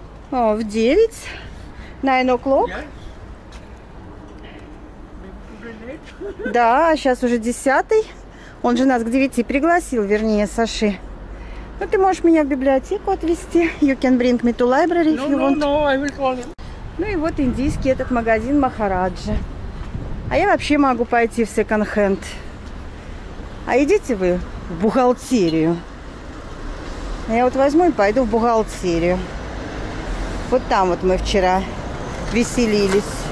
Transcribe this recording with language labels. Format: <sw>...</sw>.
<ru>О, в 9.</ru> <en>9 o'clock.</en> <ru>Да, сейчас уже 10. Он же нас к 9 пригласил, вернее, Саши. Ну, ты можешь меня в библиотеку отвезти.</ru> <en>You can bring me to library if you want.</en> <ru>Ну и вот индийский этот магазин Махараджа. А я вообще могу пойти в секонд-хенд. А идите вы в бухгалтерию. Я вот возьму и пойду в бухгалтерию. Вот там вот мы вчера веселились.</ru>